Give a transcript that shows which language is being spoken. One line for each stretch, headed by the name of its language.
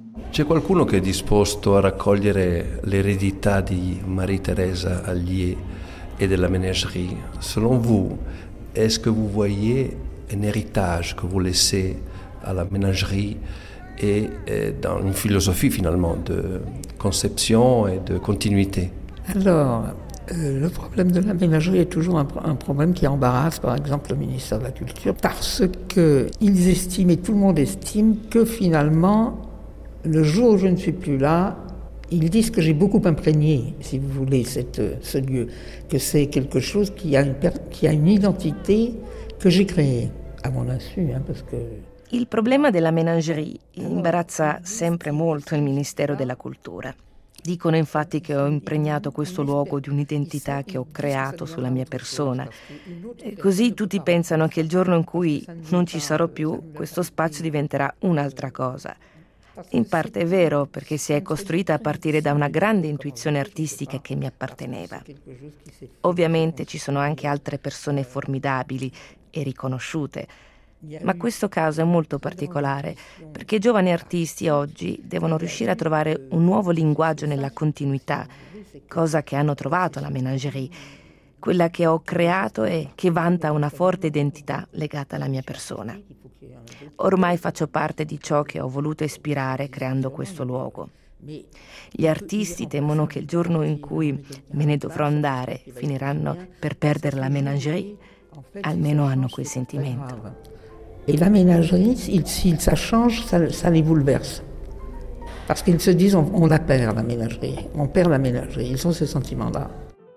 Italian: C'è qualcuno che è disposto a raccogliere l'eredità di Marie-Thérèse Alliet e della Ménagerie?
French: Selon vous, est-ce que vous voyez un héritage que vous laissez à la Ménagerie et dans une philosophie finalement de conception et de continuité? Alors, le problème de la Ménagerie est toujours un problème qui embarrasse par exemple le ministère de la Culture parce que ils estiment et tout le monde estime que finalement le jour où je ne suis plus là, Ils disent que j'ai beaucoup imprégné, si vous voulez, ce lieu, que c'est quelque chose qui a une identité que j'ai créée, à mon insu, hein, parce que...
Italian: Il problema della menagerie imbarazza sempre molto il Ministero della Cultura. Dicono infatti che ho impregnato questo luogo di un'identità che ho creato sulla mia persona. E così tutti pensano che il giorno in cui non ci sarò più, questo spazio diventerà un'altra cosa. In parte è vero, perché si è costruita a partire da una grande intuizione artistica che mi apparteneva. Ovviamente ci sono anche altre persone formidabili e riconosciute, ma questo caso è molto particolare, perché i giovani artisti oggi devono riuscire a trovare un nuovo linguaggio nella continuità, cosa che hanno trovato la Ménagerie, quella che ho creato e che vanta una forte identità legata alla mia persona. Ormai faccio parte di ciò che ho voluto ispirare creando questo luogo. Gli artisti temono che il giorno in cui me ne dovrò andare finiranno per perdere la Ménagerie, almeno hanno quel sentimento.
French: Et la ménagerie, si ça change, ça les bouleverse. Parce qu'ils se disent, on la perd, la ménagerie. On perd la ménagerie. Ils ont ce sentiment-là.